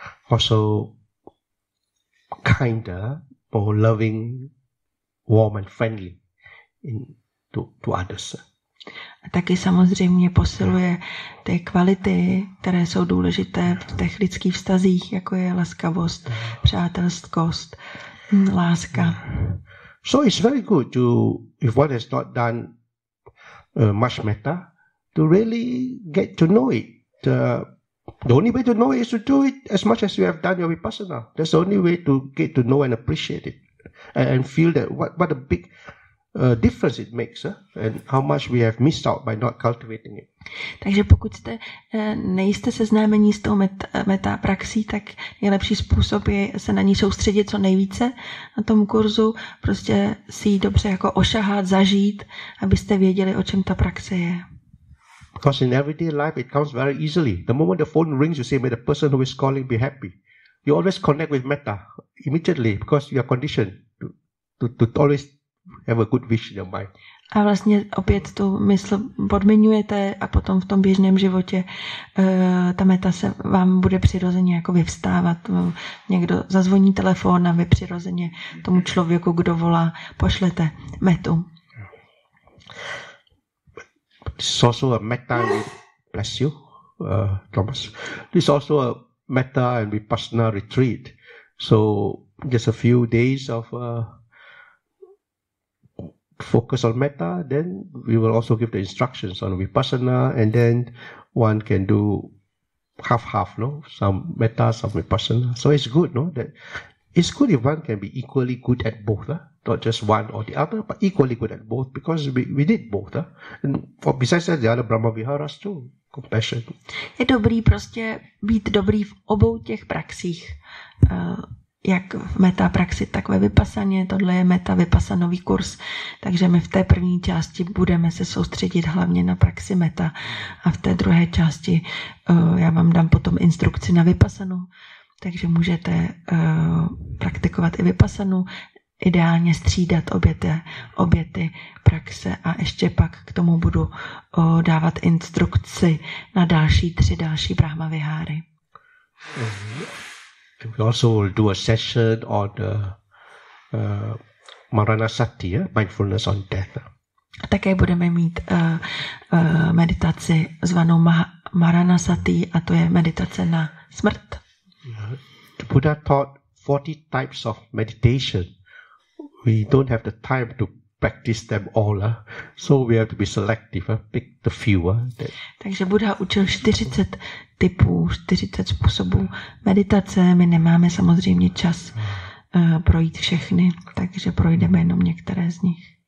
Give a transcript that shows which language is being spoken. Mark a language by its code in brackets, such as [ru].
[en] Also kinder, more loving, warm and friendly to others. [cs] A taky samozřejmě posiluje ty kvality, které jsou důležité v těch lidských vztazích, jako je laskavost, přátelskost, láska. [en] So it's very good to, if one has not done much metta, to really get to know it. The only way to know it is to do it as much as you have done your vipassana. That's the only way to get to know and appreciate it and feel that what a big difference it makes, and how much we have missed out by not cultivating it. [cs] Takže pokud jste nejste seznámení s tou metta praxí, tak nejlepší způsob je se na ní soustředit co nejvíce na tom kurzu, prostě si ji dobře jako ošahat, zažít, abyste věděli, o čem ta praxe je. [en] Because in everyday life it comes very easily. The moment the phone rings, you say, may the person who is calling be happy. You always connect with metta immediately because you are conditioned to always have a good wish in your mind. [cs] A vlastně opět tu mysl podmiňujete a potom v tom běžném životě ta meta se vám bude přirozeně jako vyvstávat. Někdo zazvoní telefon a vy přirozeně tomu člověku, kdo volá, pošlete metu. [en] It's also a meta will bless you. Thomas. This is also a metta and vipassana retreat. So just a few days of focus on metta, then we will also give the instructions on vipassana, and then one can do half-half, no? Some metta, some vipassana. So it's good, no? That it's good if one can be equally good at both, not just one or the other, but equally good at both, because we did both. And for besides that, the other Brahma Viharas too, compassion. [cs] Je dobrý prostě být dobrý v obou těch praxích. Jak v meta praxi, tak ve vypasaně. Tohle je meta vypasanový kurz. Takže my v té první části budeme se soustředit hlavně na praxi meta. A v té druhé části já vám dám potom instrukci na vypasanu. Takže můžete praktikovat i vypasanu. Ideálně střídat obě ty praxe. A ještě pak k tomu budu dávat instrukci na další tři Brahma Viháry. [en] We also will do a session on the Maranasati, mindfulness on death. [cs] A také budeme mít meditaci zvanou Maranasati, a to je meditace na smrt. [en] The Buddha taught 40 types of meditation. We don't have the time to practice them all, so we have to be selective, pick the few. [cs] Takže Buddha učil 40 typů, 40 způsobů meditace. My nemáme samozřejmě čas projít všechny, takže projdeme jenom některé z nich.